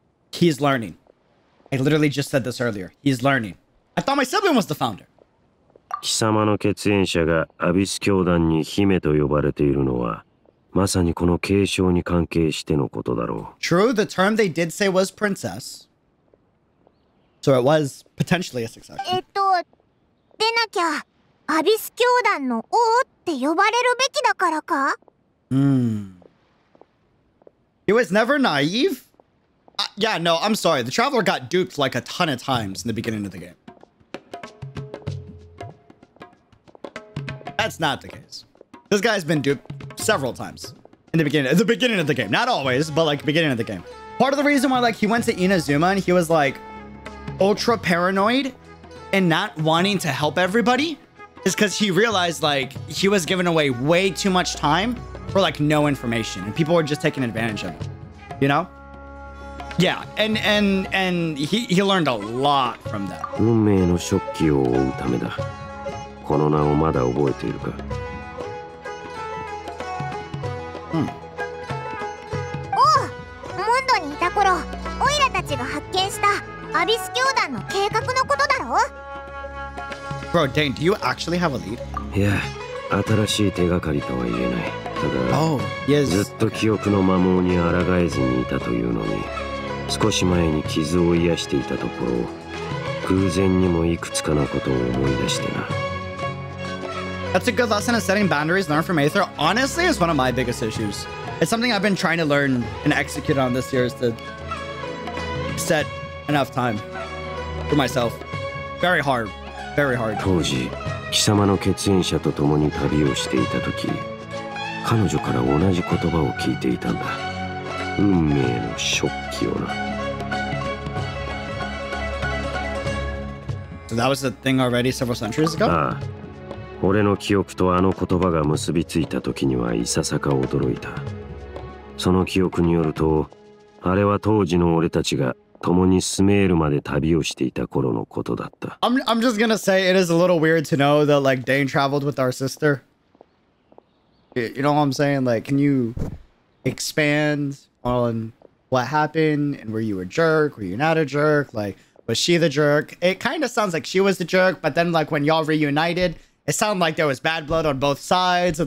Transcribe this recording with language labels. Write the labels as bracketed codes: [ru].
[en] He's learning. I literally just said this earlier. He's learning. I thought my sibling was the founder. [ja] 貴様の血縁者がアビス教団に姫と呼ばれているのはまさにこの継承に関係してのことだろう。 [en] True, the term they did say was princess. So it was potentially a succession. [ja] でなきゃアビス教団の王って呼ばれるべきだからか。 [en] He was never naive? Yeah, no, I'm sorry. The Traveler got duped like a ton of times in the beginning of the game. That's not the case. This guy's been duped several times in the beginning of the game. Not always, but like beginning of the game. Part of the reason why like he went to Inazuma and he was like ultra paranoid and not wanting to help everybody is because he realized like he was giving away way too much time for like no information and people were just taking advantage of him, you know? Yeah, and he learned a lot from that. [ja] 運命のショッキを追うためだ。この名をまだ覚えているか。おう、モンドにいた頃、オイラたちが発見したアビス教団の計画のことだろう。 [en] Bro, Dane, do you actually have a lead? [ja] いや、新しい手がかりとは言えない。ただ、ずっと記憶の摩耗に抗えずにいたというのに。少し前に傷を癒していたところ、偶然にもいくつかのことを思い出してな。 [en] That's a good lesson in setting boundaries learned from Aether. Honestly, it's one of my biggest issues. It's something I've been trying to learn and execute on this year is to set enough time for myself. Very hard. Very hard. [ja] 当時、貴様の血縁者と共に旅をしていた時、彼女から同じ言葉を聞いていたんだ。運命の食器をな。 [en] So that was the thing already several centuries ago? [ja] ああ、俺の記憶とあの言葉が結びついた時にはいささか驚いた。その記憶によると、あれは当時の俺たちが共にスメールまで旅をしていた頃のことだった。 [en] I'm just gonna say it is a little weird to know that like Dane traveled with our sister. You know what I'm saying? Like, can you expand? On what happened and were you a jerk? Were you not a jerk? Like, was she the jerk? It kind of sounds like she was the jerk, but then, like, when y'all reunited, it sounded like there was bad blood on both sides.